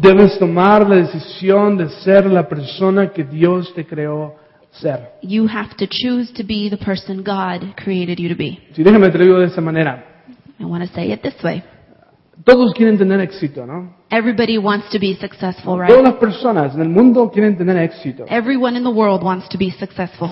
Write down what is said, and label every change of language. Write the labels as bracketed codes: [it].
[es] Debes tomar la decisión de ser la persona que Dios te creó ser. [en] You have to choose to be the person God created you to be. [es] Sí, déjame atreverlo de esa manera. [en] I want to say it this way. [es] Todos quieren tener éxito, ¿no? [en] Everybody wants to be successful, right? [es] Todas las personas en el mundo quieren tener éxito. [en] Everyone in the world wants to be successful.